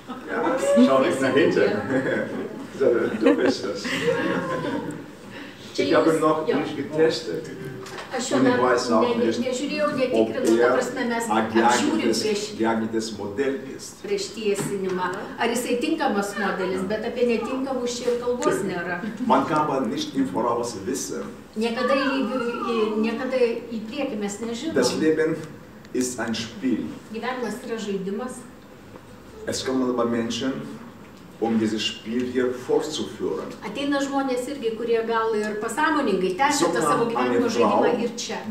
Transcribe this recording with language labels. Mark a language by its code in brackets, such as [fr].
[de] Ja, schau nicht nach hinten. Du bist das. Ich habe noch nicht getestet. Und ich weiß auch nicht, ob er geeignetes Modell ist. [lt] Prieš tiesinimą. Ar jisai tinkamas modelis, bet apie netinkamus čia kalbos nėra. [de] Man kann man nicht im Voraus wissen. [lt] Niekada į priekį mes nežinom. [de] Das Leben ist ein Spiel. [lt] Gyvenimas yra žaidimas. [de] Es kommen aber Menschen, um dieses Spiel hier fortzuführen. [lt] Ateina žmonės irgi, kurie gal ir pasąmoningai tęsia tą savo gyvenimo žaidimą ir čia.